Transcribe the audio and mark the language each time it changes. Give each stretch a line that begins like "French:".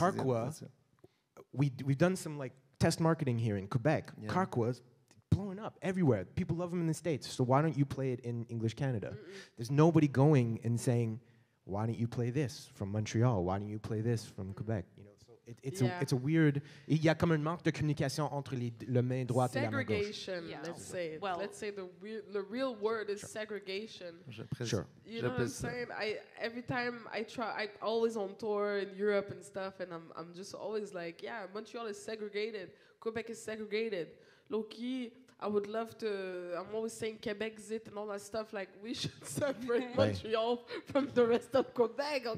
English: Carqua, yeah, we've done some, like, test marketing here in Quebec. Yeah. Carqua's blowing up everywhere. People love them in the States, so why don't you play it in English Canada? Mm-hmm. There's nobody going and saying, why don't you play this from Montreal? Why don't you play this from Quebec? You know, so it's a weird.
French: Il y a comme un manque de communication entre les mains droite et la main gauche.
English: Segregation. Yeah. Let's say it. Well, let's say the real word is segregation. Sure. You know what I'm saying? I always on tour in Europe and stuff, and I'm just always like, yeah, Montreal is segregated. Quebec is segregated. Loki. I would love to, I'm always saying Quebec zit and all that stuff, like we should separate Montreal from the rest of Quebec, okay?